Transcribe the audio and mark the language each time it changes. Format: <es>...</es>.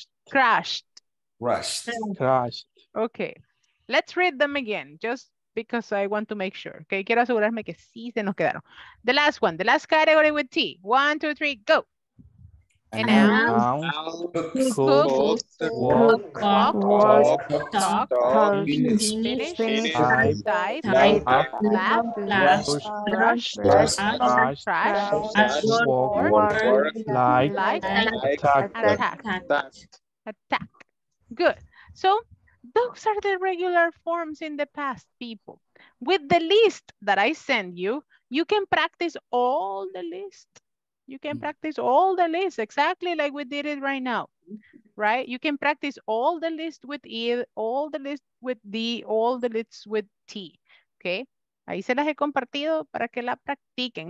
<en>Brushed. Okay, let's read them again just because I want to make sure.</en> <es>Okay, quiero asegurarme que sí se nos quedaron.</es> <en>The last one, the last category with T. 1, 2, 3, go. Attack. Good. So those are the regular forms in the past, people. With the list that I send you, you can practice all the lists. You can practice all the lists exactly like we did it right now, right? You can practice all the lists with E, all the lists with D, all the lists with T, okay?</en> <es>Ahí se las he compartido para que la practiquen.</es>